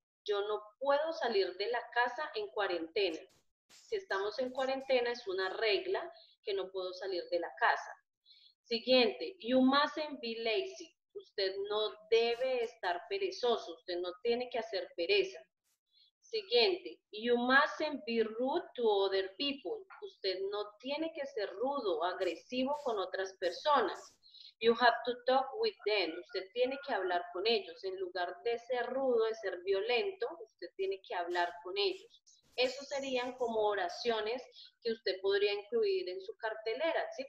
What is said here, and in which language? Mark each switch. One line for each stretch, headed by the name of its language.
Spanish: Yo no puedo salir de la casa en cuarentena. Si estamos en cuarentena, es una regla que no puedo salir de la casa. Siguiente,
English: you mustn't be lazy.
Spanish: Usted no debe estar perezoso, usted no tiene que hacer pereza.
English: Siguiente, you mustn't be rude to other people.
Spanish: Usted no tiene que ser rudo, agresivo con otras personas.
English: You have to talk with them.
Spanish: Usted tiene que hablar con ellos. En lugar de ser rudo, de ser violento, usted tiene que hablar con ellos. Esas serían como oraciones que usted podría incluir en su cartelera, ¿sí?